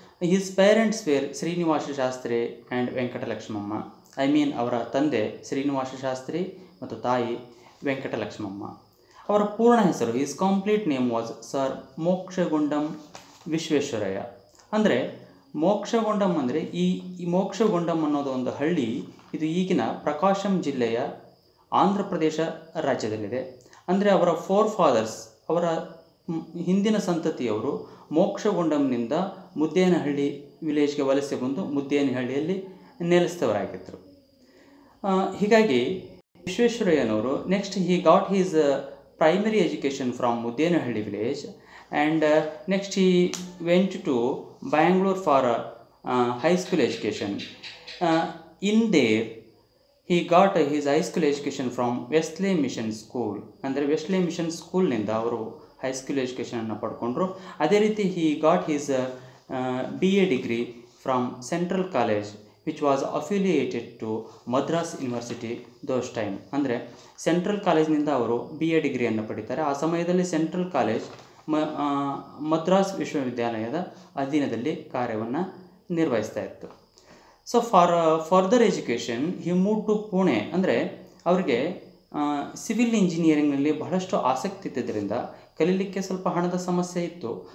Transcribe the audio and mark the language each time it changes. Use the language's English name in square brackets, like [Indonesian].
[English] His parents were Srinivasa Shastri and Venkata Lakshmamma. I mean, our [Kannada] tande [English] Srinivasa Shastri [Kannada] matu tai [English] Venkata Lakshmamma. Our [Kannada] purna hesaru, [English] his complete name was Sir Mokshagundam Visveshwaraya. [Kannada] Andre Mokshagundam ಅಂದರೆ ಈ ಮೋಕ್ಷಗುಂಡಂ ಅನ್ನೋದು ಒಂದು ಹಳ್ಳಿ. ಇದು ಈಗಿನ ಪ್ರಕಾಶಂ ಜಿಲ್ಲೆಯ ಆಂಧ್ರ ಪ್ರದೇಶ ರಾಜ್ಯದಲ್ಲಿದೆ. ಅಂದರೆ ಅವರ ಫೋರ್ ಫಾದರ್ಸ್, ಅವರ ಹಿಂದಿನ ಸಂತತಿಯವರು ಮೋಕ್ಷಗುಂಡಂನಿಂದ ಮುದ್ದೇನಹಳ್ಳಿ ವಿಲೇಜ್ಗೆ ವಲಸೆ ಬಂದು ಮುದ್ದೇನಹಳ್ಳಿಯಲ್ಲಿ ನೆಲೆಸಿದವರಾಗಿದ್ದರು. ಹೀಗಾಗಿ [English] ವಿಶ್ವೇಶ್ವರಯ್ಯನವರು next he got his primary education from Muddenahalli village and next he went to Bangalore for high school education. In there, he got his high school education from Wesley Mission School. [Kannada] Andre Wesley Mission School ninda avaru [English] high school education [Kannada] anna padkondru. Adhe riti [English] he got his BA degree from Central College, which was affiliated to Madras University those time. [Kannada] Andre Central College ninda avaru [English] BA degree [Kannada] anna padithare. Aa samayadalli Central College Madras ವಿಶ್ವವಿದ್ಯಾಲಯದ ಅಧೀನದಲ್ಲಿ ಕಾರ್ಯವನ್ನು ನಿರ್ವಹಿಸ್ತಾ ಇತ್ತು. [English] So for further education he move to Pune. [Kannada] ಅಂದರೆ ಅವರಿಗೆ civil ಇಂಜಿನಿಯರಿಂಗ್ನಲ್ಲಿ ಬಹಳಷ್ಟು ಆಸಕ್ತಿ ಇದ್ದಿದ್ದರಿಂದ ಕಲೀಲಿಕ್ಕೆ ಸ್ವಲ್ಪ ಹಣದ ಸಮಸ್ಯೆ ಇತ್ತು.